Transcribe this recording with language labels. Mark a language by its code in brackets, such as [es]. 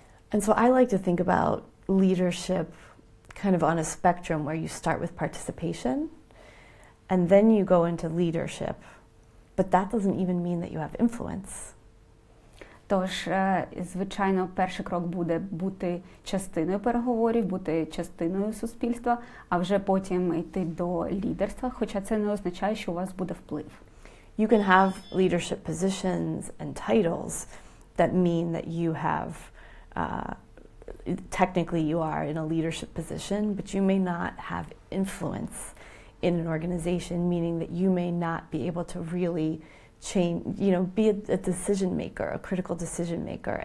[en] And so I like to think about leadership kind of on a spectrum where you start with participation and then you go into leadership, but that doesn't even mean that you have influence. [uk] Тож, звичайно, перший крок буде бути частиною переговорів, бути частиною суспільства, а вже потім йти до лідерства, хоча це не означає, що у вас буде вплив. [en] You can have leadership positions and titles that mean that you have, technically you are in a leadership position, but you may not have influence in an organization, meaning that you may not be able to really be a decision maker, a critical decision maker.